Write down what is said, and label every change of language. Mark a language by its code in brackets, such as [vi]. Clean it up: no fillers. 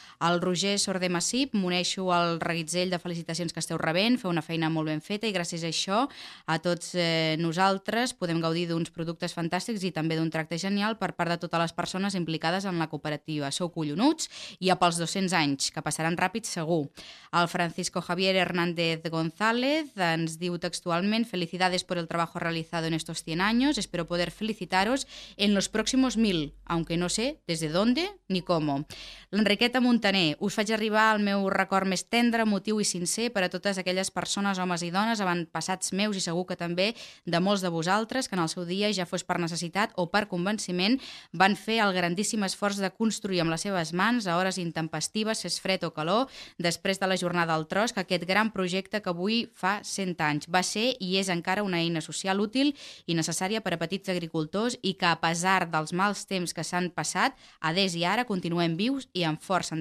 [ca] El Roger Sordé Massip: m'uneixo al reguitzell de felicitacions que esteu rebent, feu una feina molt ben feta i gràcies a això a tots nosaltres podem gaudir d'uns productes fantàstics i també d'un tracte genial per part de totes les persones implicades en la cooperativa. Sou collonuts i a pels 200 anys, que passaran ràpid segur. El Francisco Javier Hernández González ens diu textualment: [es] felicidades por el trabajo realizado en estos 100 años, espero poder felicitaros en los próximos 1000, aunque no sé desde dónde ni cómo. [ca] L'Enriqueta Montaner: us faig arribar el meu record més tendre, emotiu i sincer per a totes aquelles persones, homes i dones, avantpassats meus i segur que també de molts de vosaltres, que en el seu dia, ja fos per necessitat o per convenciment, van fer el grandíssim esforç de construir amb les seves mans, a hores intempestives, fes fred o calor, després de la jornada al tros, que aquest gran projecte que avui fa 100 anys va ser i és encara una eina social útil i necessària per a petits agricultors, i que a pesar dels mals temps que s'han passat, a des i ara continuem vius i amb força.